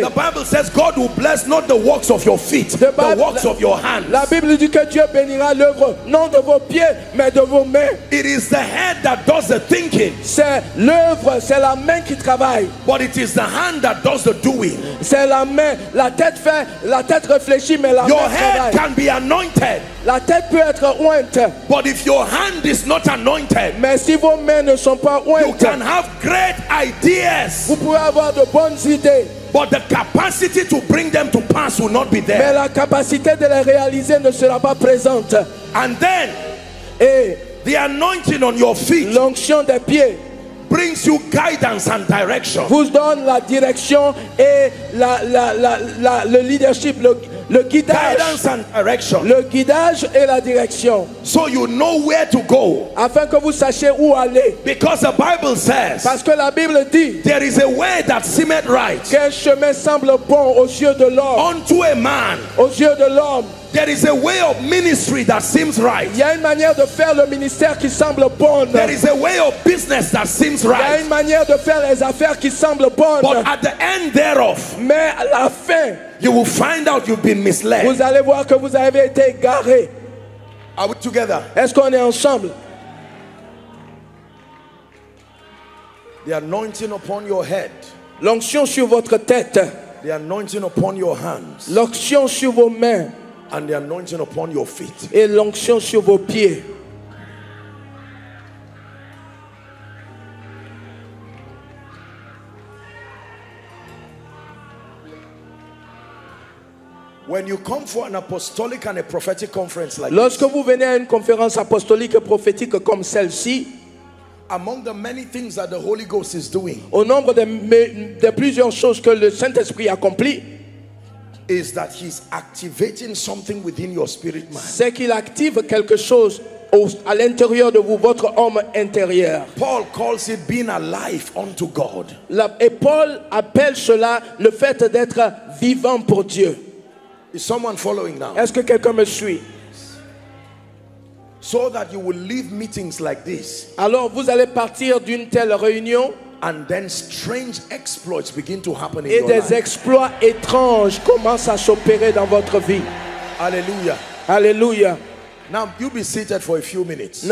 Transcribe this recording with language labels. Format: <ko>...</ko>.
<en>The Bible says God will bless not the works of your feet, the works of your hands.</en> <fr>La Bible dit que Dieu bénira l'œuvre non de vos pieds mais de vos mains.</fr> <en>It is the head that does the thinking.</en> <fr>C'est l'œuvre, c'est la main qui travaille.</fr> <en>But it is the hand that does the doing.</en> <fr>C'est la main, la tête fait, la tête réfléchit mais la</fr> <en>your</en> <fr>main</fr> <en>head</en> <fr>travaille.</fr> <en>Can be anointed.</en> <fr>La tête peut être ointe.</fr> <en>But if your hand is not anointed,</en> <fr>mais si vos mains ne sont pas ointes,</fr> <en>you can have great ideas.</en> <fr>Vous pouvez avoir de bonnes idées.</fr> <en>But the capacity to bring them to pass will not be there.</en> <fr>Mais la capacité de les réaliser ne sera pas présente.</fr> <en>And then,</en> <fr>et</fr> <en>the anointing on your feet,</en> <fr>l'onction des pieds,</fr> <en>brings you guidance and direction.</en> <fr>Vous donne la direction et le leadership, le guidage.</fr> <en>Guidance and direction.</en> <fr>Le guidage et la direction.</fr> <en>So you know where to go.</en> <fr>Afin que vous sachiez où aller.</fr> <en>Because the Bible says.</en> <fr>Parce que la Bible dit.</fr> <en>There is a way that seemeth right.</en> <fr>Qu'un chemin semble bon aux yeux de l'homme.</fr> <en>Unto a man.</en> <fr>Aux yeux de l'homme.</fr> <en>There is a way of ministry that seems right.</en> <fr>Il y a une manière de faire le ministère qui semble bonne.</fr> <en>There is a way of business that seems right.</en> <fr>Il y a une manière de faire les affaires qui semble bonne.</fr> <en>But at the end thereof,</en> <fr>mais à la fin,</fr> <en>you will find out you've been misled.</en> <fr>Vous allez voir que vous avez été égaré.</fr> <en>Are we together?</en> <fr>Est-ce qu'on est ensemble?</fr> <en>The anointing upon your head.</en> <fr>L'onction sur votre tête.</fr> <en>The anointing upon your hands.</en> <fr>L'onction sur vos mains.</fr> <en>And the anointing upon your feet.</en> <fr>Et l'onction sur vos pieds.</fr> <en>When you come for an apostolic and a prophetic conference like</en> <fr>lorsque vous venez à une conférence apostolique et prophétique comme celle-ci,</fr> <en>among the many things that the Holy Ghost is doing,</en> <fr>au nombre de plusieurs choses que le Saint-Esprit accomplit,</fr> <en>is that he's activating something within your spirit man.</en> <fr>C'est qu'il active quelque chose à l'intérieur de vous, votre homme intérieur.</fr> <en>Paul calls it being alive unto God.</en> <fr>Et Paul appelle cela le fait d'être vivant pour Dieu.</fr> <en>Is someone following now?</en> <fr>Est-ce que quelqu'un me suit?</fr> <en>So that you will leave meetings like this.</en> <fr>Alors vous allez partir d'une telle réunion.</fr> <en>And then strange exploits begin to happen in your life.</en> <fr>Et des exploits étranges commencent à s'opérer dans votre vie. Alléluia. Alléluia.</fr> <en>Now you be seated for a few minutes.</en>